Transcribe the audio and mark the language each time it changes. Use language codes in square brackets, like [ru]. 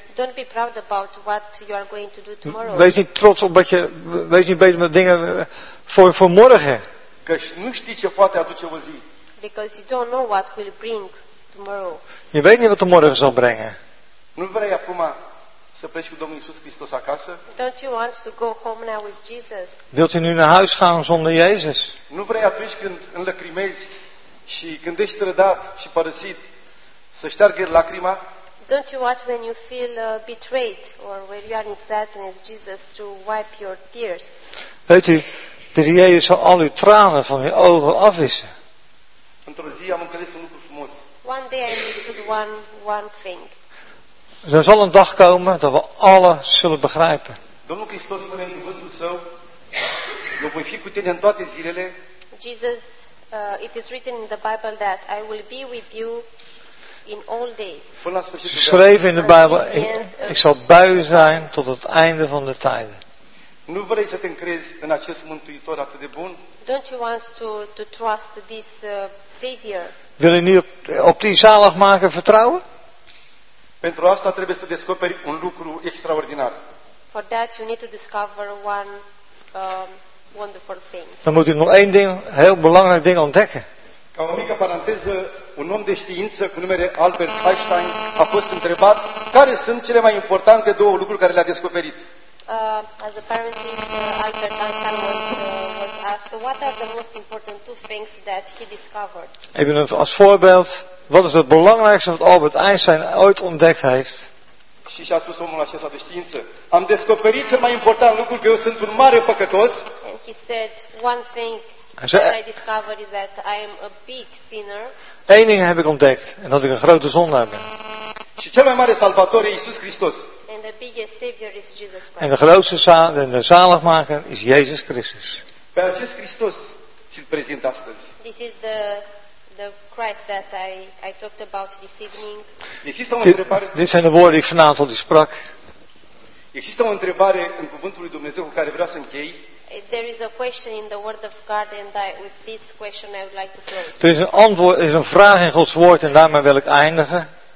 [en] Don't be proud about what you are going to do tomorrow. [nl] Wees niet trots op wat je, wees niet bezig met dingen voor morgen. [ro] Că nu știi ce poate aduce o zi. [en] Because you don't know what will bring tomorrow. [nl] Je weet niet wat de morgen zal brengen. [ro] Nu vrei acum să pleci cu Domnul Iisus Hristos acasă? [en] Don't you want to go home now with Jesus? [nl] Wilt u nu naar huis gaan zonder Jezus? [ro] Nu vrei atunci când înlăcrimezi și când ești trădat și părăsit să șteargă lacrima? [en] Don't you want when you feel betrayed or when you are in sadness, Jesus to wipe your tears? [nl] Weet u, de Heer Jezus zal al uw tranen van uw ogen afwissen. [ro] Într-o zi am înțeles un lucru frumos. [en] One day I understood one thing. [nl] Er zal een dag komen dat we alles zullen begrijpen. [ro] Domnul Hristos spune în cuvântul său, eu voi fi cu tine în toate zilele. [en] Jesus, it is written in the Bible that I will be with you in all days. [nl] Geschreven in de Bijbel, ik zal bij u zijn tot het einde van de tijden. [ro] Nu vrei să te încrezi în acest mântuitor atât de bun? [en] Don't you want to trust this savior? [nl] Wil je niet op die zaligmaker vertrouwen? [ro] Pentru asta trebuie să descoperi un lucru extraordinar. [en] For that you need to discover one wonderful thing. [nl] Dan moet je nog één ding, heel belangrijk ding ontdekken. [ro] Ca o mică paranteză, un om de știință cu numele Albert Einstein a fost întrebat care sunt cele mai importante două lucruri care le-a descoperit. [en] As apparently Albert Einstein was asked, what are the most important two things that he discovered? [nl] Even als voorbeeld, wat is het belangrijkste wat Albert Einstein ooit ontdekt heeft? [ro] Și a spus omul acesta de știință, am descoperit cel mai important lucru că eu sunt un mare păcătos. [en] And he said, one thing that I discovered is that I am a big sinner. [nl] Eén ding heb ik ontdekt, en dat ik een grote zondaar ben. [ro] Și cel mai mare salvator e Iisus Hristos. [en] And the biggest savior is Jesus Christ. [nl] En de grootste de zaligmaker is Jezus Christus. [ro] Pe acest Hristos ți-l prezint astăzi. [en] This is the Christ that I talked about this evening. [ro] Există o întrebare. [nl] Dit zijn de woorden die vanavond tot u sprak. [ro] Există o întrebare în cuvântul lui Dumnezeu cu care vreau să închei. [en] There is a question in the word of God and with this question I would like to close. [nl] Er is een antwoord, er is een vraag in Gods woord en daarmee wil ik eindigen.